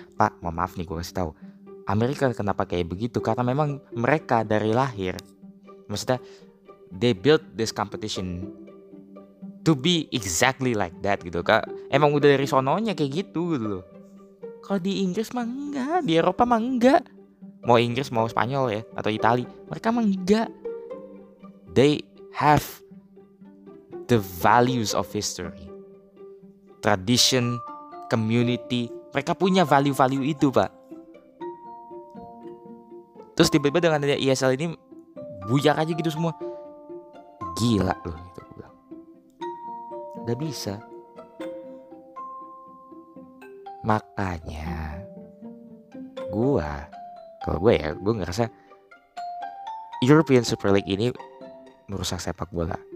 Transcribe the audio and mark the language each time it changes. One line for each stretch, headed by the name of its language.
Indonesian: Pak mohon maaf nih gue kasih tahu, Amerika kenapa kayak begitu karena memang mereka dari lahir, maksudnya
English: they built this competition to be exactly like that
Indonesian: gitu kan, emang udah dari sononya kayak gitu gitu loh. Kalau di Inggris mah enggak, di Eropa mah enggak. Mau Inggris, mau Spanyol ya, atau Itali, mereka emang enggak.
English: They have the values of history, tradition, community.
Indonesian: Mereka punya value-value itu, Pak. Terus tiba-tiba dengan ada ESL ini, buyar aja gitu semua. Gila loh, gitu. Gak bisa. Makanya, gue ngerasa European Super League ini merusak sepak bola.